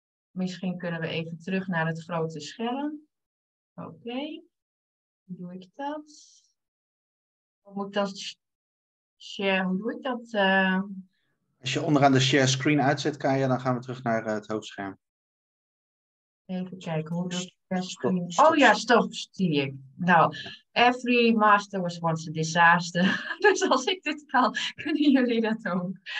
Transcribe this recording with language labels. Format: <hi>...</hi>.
<nl>Misschien kunnen we even terug naar het grote scherm. Oké, hoe doe ik dat? Hoe moet ik dat share? Hoe doe ik dat? Als je onderaan de share screen uitzet, Kaya, dan gaan we terug naar het hoofdscherm. Even kijken hoe de share screen... Stop, zie ik.</nl> <en>Nou, every master was once a disaster.</en> <nl>Dus als ik dit kan, kunnen jullie dat ook.</nl>